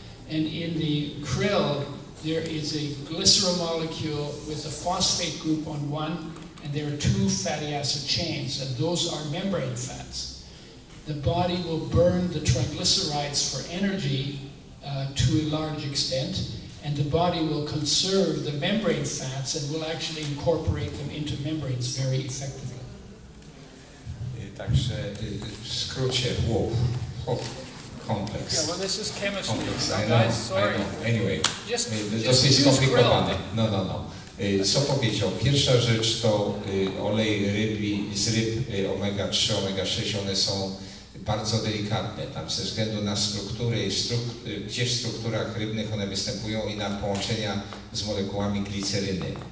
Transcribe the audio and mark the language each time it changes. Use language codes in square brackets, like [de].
[en] And in the krill, there is a glycerol molecule with a phosphate group on one, and there are two fatty acid chains, and those are membrane fats. The body will burn the triglycerides for energy to a large extent, and the body will conserve the membrane fats and will actually incorporate them into membranes very effectively. [pl] Także w skrócie WOW, HOP complex. [en] Yeah, well this is chemistry, guys, sorry. Anyway, just use skomplikowane. [pl] No. Co powiedział? Pierwsza rzecz to olej rybi, z ryb omega-3, omega-6, one są bardzo delikatne, tam ze względu na struktury, gdzie w strukturach rybnych one występują i na połączenia z molekułami gliceryny.